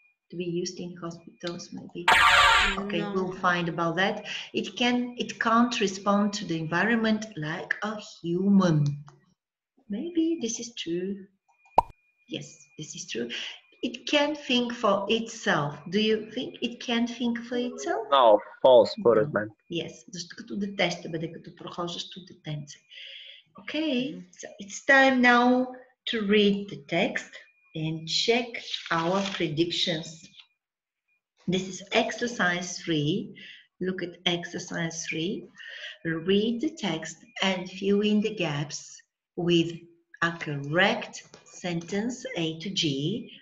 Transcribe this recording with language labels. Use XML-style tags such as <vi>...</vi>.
<en>To be used in hospitals, maybe. Okay, no. We'll find about that. It can't respond to the environment like a human. Maybe this is true. Yes, this is true. It can think for itself. Do you think it can think for itself? No, false, but it meant. Yes, just</en> <bg>като дете ще бъде, като прохождащо детенце.</bg> <en>Okay, so it's time now to read the text. And check our predictions. This is exercise 3. Look at exercise 3. Read the text and fill in the gaps with a correct sentence A to G.</en>